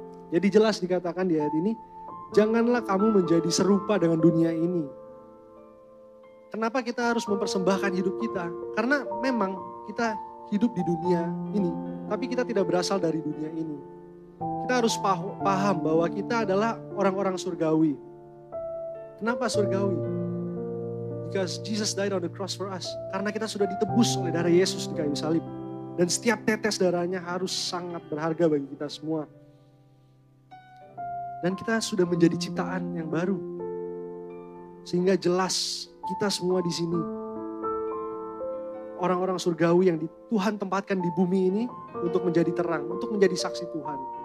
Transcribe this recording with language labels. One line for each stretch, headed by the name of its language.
Indonesian: Jadi jelas dikatakan di ayat ini, janganlah kamu menjadi serupa dengan dunia ini. Kenapa kita harus mempersembahkan hidup kita? Karena memang kita hidup di dunia ini, tapi kita tidak berasal dari dunia ini. Kita harus paham bahwa kita adalah orang-orang surgawi. Kenapa surgawi?
English: Because Jesus died on the cross for us.
Indonesian: Karena kita sudah ditebus oleh darah Yesus di kayu salib. Dan setiap tetes darahnya harus sangat berharga bagi kita semua. Dan kita sudah menjadi ciptaan yang baru. Sehingga jelas kita semua di sini, orang-orang surgawi yang Tuhan tempatkan di bumi ini untuk menjadi terang, untuk menjadi saksi Tuhan.